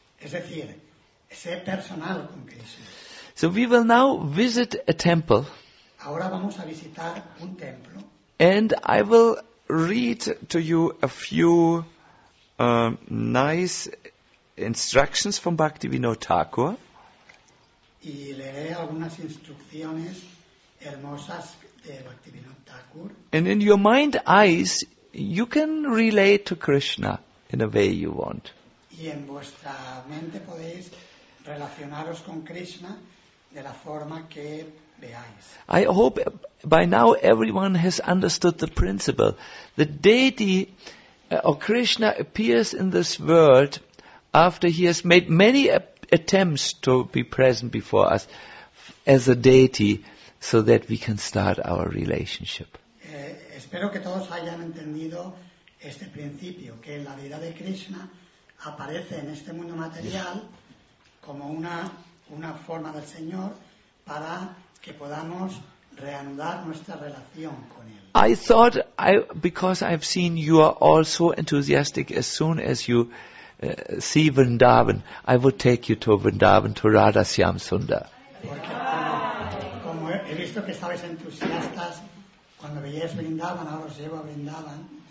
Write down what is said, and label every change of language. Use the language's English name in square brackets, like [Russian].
[Spanish] Es decir, sé personal con Krishna. [English] So we will now visit a temple. [Spanish] Ahora vamos a visitar un templo. [English] And I will read to you a few nice instructions from Bhaktivinoda Thakur. [Spanish] Y leeré algunas instrucciones hermosas de Bhaktivinoda Thakur. [English] And in your mind eyes, you can relate to Krishna in a way you want. [Spanish] Y en vuestra mente podéis relacionaros con Krishna de la forma que veáis. [English] I hope by now everyone has understood the principle. The deity or Krishna appears in this world after he has made many attempts to be present before us as a deity so that we can start our relationship. [Spanish] Espero que todos hayan entendido este principio, que la deidad de Krishna aparece en este mundo material como una forma del Señor para que podamos reanudar nuestra relación con él. [English] I thought I, because I've seen you are all so enthusiastic as soon as you see Vrindavan, I would take you to Vrindavan to Radha Syam Sundar. [Spanish] Porque como he visto que estabais entusiastas cuando veíais Vrindavan, ahora os llevo a Vrindavan.